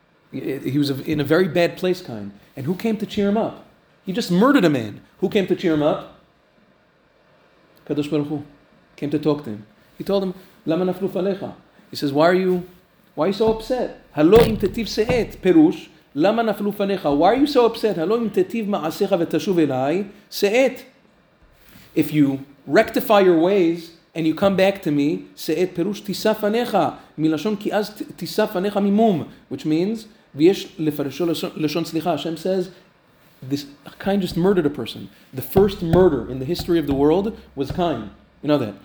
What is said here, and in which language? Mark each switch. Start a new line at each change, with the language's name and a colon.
English: He was in a very bad place, Cain. And who came to cheer him up? He just murdered a man. Who came to cheer him up? Kadosh Baruch Hu came to talk to him. He told him,
Hebrew: Lama naflu falecha?
English: He says, why are you so upset?
Hebrew: Halo im tetiv se'et perush למה נפלו פניך?
English: Why are you so upset?
Hebrew: הלא אם תטיב מעשיך ותשוב אליי, שאת.
English: If you rectify your ways and you come back to me,
Hebrew: שאת פירוש תישא פניך, מלשון כי אז תישא פניך ממום,
English: which means,
Hebrew: ויש לפרשו לשון סליחה,
English: השם says, this Cain just murdered a person. The first murder in the history of the world was Cain. You know that?